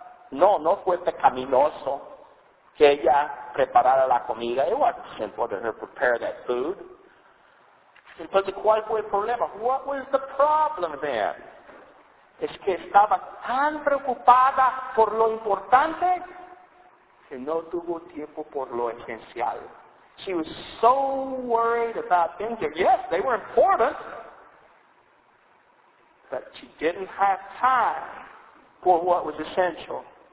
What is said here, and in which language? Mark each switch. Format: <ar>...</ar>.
<es>No fue pecaminoso que ella preparara la comida.</es> <en>It wasn't simple to her prepare that food.</en> <es>Entonces, ¿cuál fue el problema?</es> <en>What was the problem then?</en> <es>Es que estaba tan preocupada por lo importante que no tuvo tiempo por lo esencial.</es> <en>She was so worried about things. Yes, they were important. that you didn't have time for what was essential.</en>